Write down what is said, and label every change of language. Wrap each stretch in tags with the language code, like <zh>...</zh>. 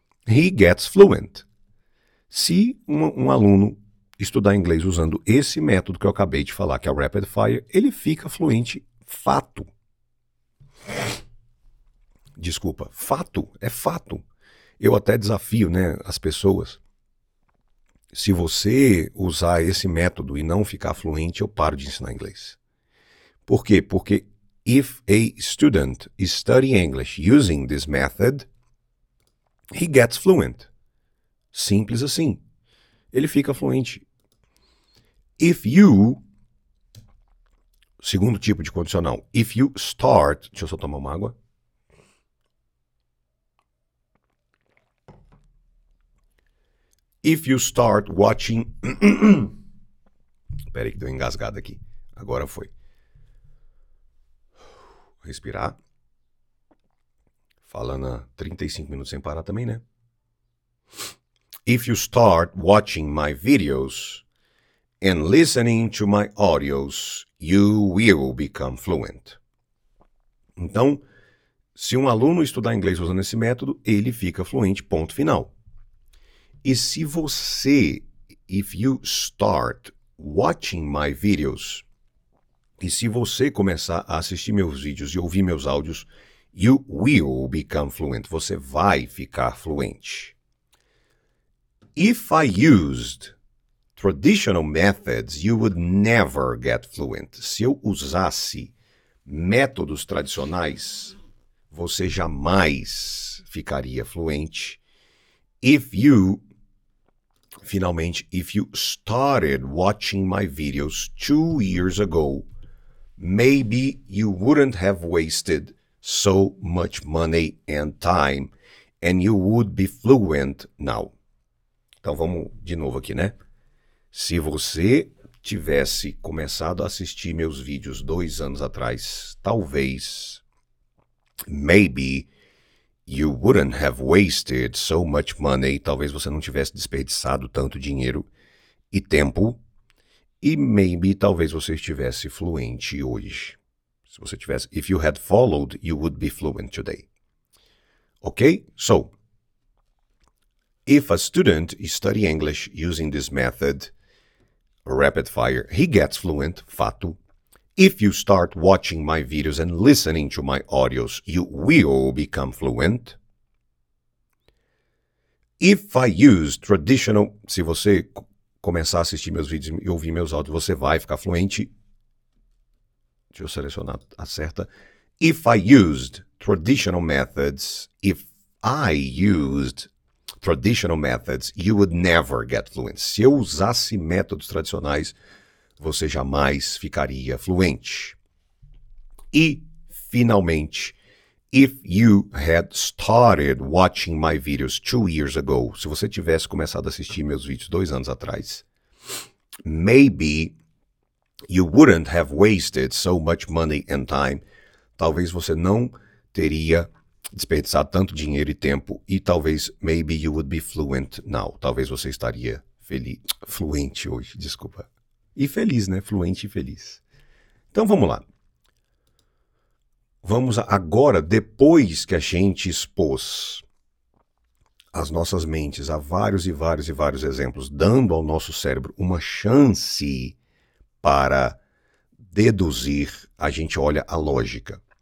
<en>He gets fluent.</en> <pt>Se um aluno estudar inglês usando esse método que eu acabei de falar, que é o Rapid Fire, ele fica fluente, fato. Desculpa, fato, é fato. Eu até desafio, né, as pessoas. Se você usar esse método e não ficar fluente, eu paro de ensinar inglês. Por quê?</pt> <en>Porque if a student is studying English using this method, he gets fluent.</en> <pt>Simples assim. Ele fica fluente.</pt> <en>If you,</en> <pt>segundo tipo de condicional,</pt> <en>if you start,</en> <pt>deixa eu só tomar uma água.</pt> <en>If you start watching,</en> <pt>peraí que deu engasgado aqui, agora foi. Respirar. Falando 35 minutos sem parar também, né?</pt> <en>If you start watching my videos and listening to my audios, you will become fluent.</en> <pt>Então, se um aluno estudar inglês usando esse método, ele fica fluente, ponto final. E se você,</pt> <en>if you start watching my videos,</en> <pt>e se você começar a assistir meus vídeos e ouvir meus áudios,</pt> <en>you will become fluent.</en> <pt>Você vai ficar fluente.</pt> <en>If I used traditional methods, you would never get fluent.</en> <pt>Se eu usasse métodos tradicionais, você jamais ficaria fluente.</pt> <en>If you, finalmente, if you started watching my videos 2 years ago, maybe you wouldn't have wasted so much money and time, and you would be fluent now.</en> <pt>Então vamos de novo aqui, né? Se você tivesse começado a assistir meus vídeos 2 anos atrás, talvez,</pt> <en>maybe, you wouldn't have wasted so much money.</en> <pt>Talvez você não tivesse desperdiçado tanto dinheiro e tempo. E maybe, talvez você estivesse fluente hoje. Se você tivesse,</pt> <en>if you had followed, you would be fluent today. Ok? So, if a student studies English using this method, rapid fire, he gets fluent, fato. If you start watching my videos and listening to my audios, you will become fluent. If I use traditional,</en> <pt>se você começar a assistir meus vídeos e ouvir meus áudios, você vai ficar fluente. Deixa eu selecionar a certa.</pt> <en>If I used traditional methods, if I used traditional methods, you would never get fluent.</en> <pt>Se eu usasse métodos tradicionais, você jamais ficaria fluente. E, finalmente,</pt> <en>if you had started watching my videos 2 years ago,</en> <pt>se você tivesse começado a assistir meus vídeos 2 anos atrás,</pt> <en>maybe you wouldn't have wasted so much money and time.</en> <pt>Talvez você não teria desperdiçado tanto dinheiro e tempo. E talvez,</pt> <en>maybe you would be fluent now.</en> <pt>Talvez você estaria fluente hoje, desculpa. E feliz, né? Fluente e feliz. Então vamos lá. Vamos agora, depois que a gente expôs as nossas mentes a vários e vários e vários exemplos, dando ao nosso cérebro uma chance para deduzir, a gente olha a lógica.</pt>